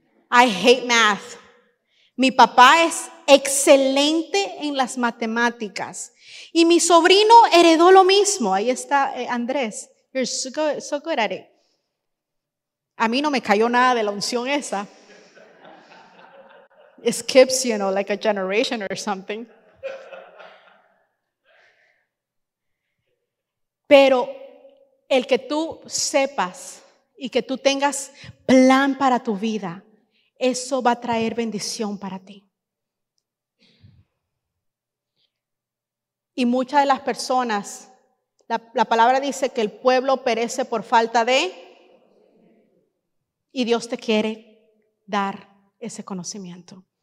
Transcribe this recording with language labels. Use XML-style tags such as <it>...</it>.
<en>I hate math.</en> <es>Mi papá es excelente en las matemáticas. Y mi sobrino heredó lo mismo. Ahí está Andrés.</es> <en>You're so good at it.</en> <es>A mí no me cayó nada de la unción esa.</es> <en>it skips, you know, like a generation or something.</en> <es>Pero el que tú sepas y que tú tengas plan para tu vida, eso va a traer bendición para ti. Y muchas de las personas, la palabra dice que el pueblo perece por falta de, y Dios te quiere dar ese conocimiento.</es>